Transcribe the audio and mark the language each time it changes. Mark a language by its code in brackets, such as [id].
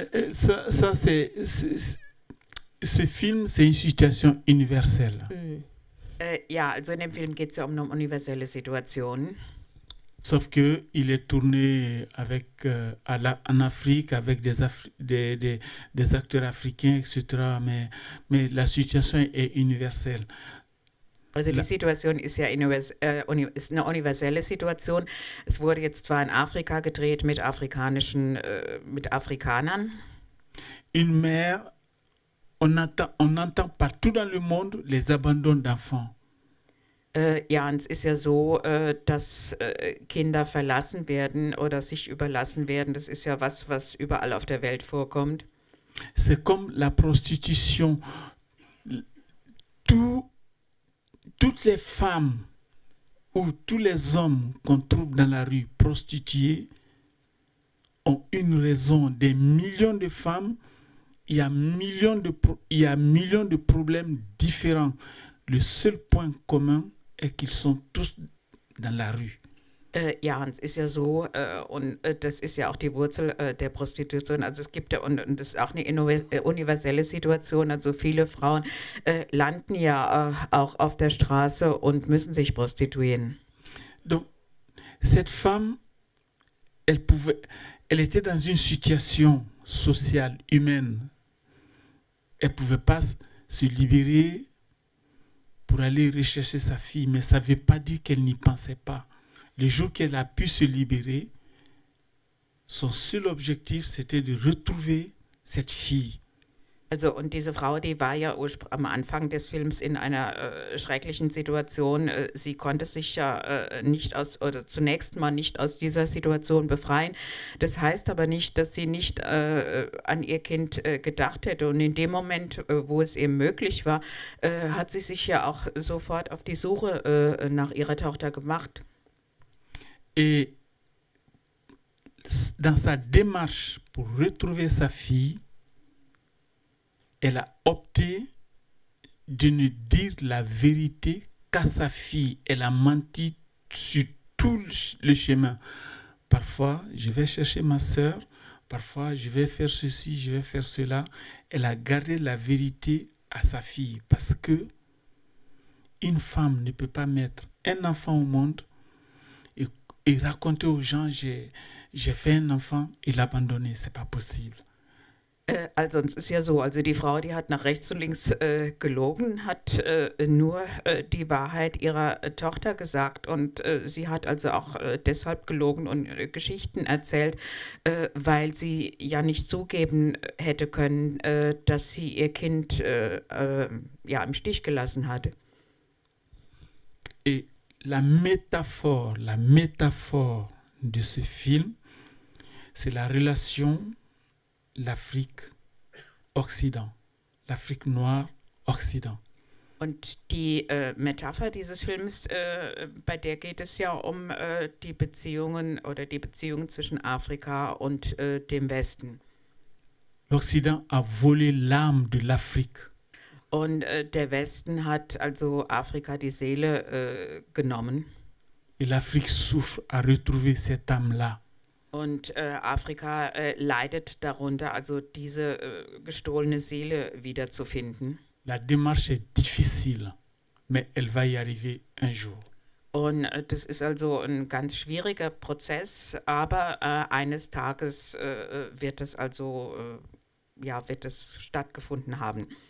[fr] ça c'est ce film c'est une situation universelle. [de] Ja, also in dem Film geht es ja um eine universelle Situation. [fr] Sauf que il est tourné avec en Afrique avec des acteurs africains etc. mais la situation est universelle. [de] Also die Situation ist ja ist eine universelle Situation. Es wurde jetzt zwar in Afrika gedreht mit mit Afrikanern. [fr] Une mère, on entend partout dans le monde les abandons d'enfants. [de] Ja, und es ist ja so, dass Kinder verlassen werden oder sich überlassen werden. Das ist ja was, was überall auf der Welt vorkommt. [fr] C'est comme la prostitution. Toutes les femmes ou tous les hommes qu'on trouve dans la rue prostituées ont une raison. Des millions de femmes, il y a millions de problèmes différents. Le seul point commun est qu'ils sont tous dans la rue. [de] Ja, und es ist ja so, das ist ja auch die Wurzel der Prostitution. Also es gibt ja, und das ist auch eine universelle Situation. Also viele Frauen landen ja auch auf der Straße und müssen sich prostituieren. [fr] Donc, cette femme, elle était dans une situation sociale, humaine. Elle ne pouvait pas se libérer pour aller rechercher sa fille, mais ça ne veut pas dire qu'elle n'y pensait pas. Le jour qu'elle a pu se libérer, Son seul objectif, c'était de retrouver cette fille. [de] Also, und diese Frau, die war ja am Anfang des Films in einer schrecklichen Situation. Sie konnte sich ja nicht aus, oder zunächst mal nicht aus dieser Situation befreien. Das heißt aber nicht, dass sie nicht an ihr Kind gedacht hätte. Und in dem Moment, wo es ihr möglich war, hat sie sich ja auch sofort auf die Suche nach ihrer Tochter gemacht. [fr] Et dans sa démarche pour retrouver sa fille, elle a opté de ne dire la vérité qu'à sa fille. Elle a menti sur tout le chemin. Parfois, je vais chercher ma sœur. Parfois, je vais faire ceci, je vais faire cela. Elle a gardé la vérité à sa fille. Parce que une femme ne peut pas mettre un enfant au monde et raconter aux gens, j'ai fait un enfant et l'abandonner. C'est pas possible. [de] Also es ist ja so, also die Frau, die hat nach rechts und links gelogen, hat nur die Wahrheit ihrer Tochter gesagt und sie hat also auch deshalb gelogen und Geschichten erzählt, weil sie ja nicht zugeben hätte können, dass sie ihr Kind ja im Stich gelassen hat. [fr] Et la métaphore de ce film, c'est la relation l'Afrique Occident, l'Afrique noire Occident. [de] Und die Metapher dieses Films, bei der geht es ja um die Beziehungen oder die Beziehungen zwischen Afrika und dem Westen. [fr] L'Occident a volé l'âme de l'Afrique. [de] Und der Westen hat also Afrika die Seele genommen. [fr] Et l'Afrique souffre à retrouver cette âme-là. [de] Und Afrika leidet darunter, also diese gestohlene Seele wiederzufinden. [fr] La démarche est difficile, mais elle va y arriver un jour. [de] Und das ist also ein ganz schwieriger Prozess, aber eines Tages wird es also, ja, wird es stattgefunden haben.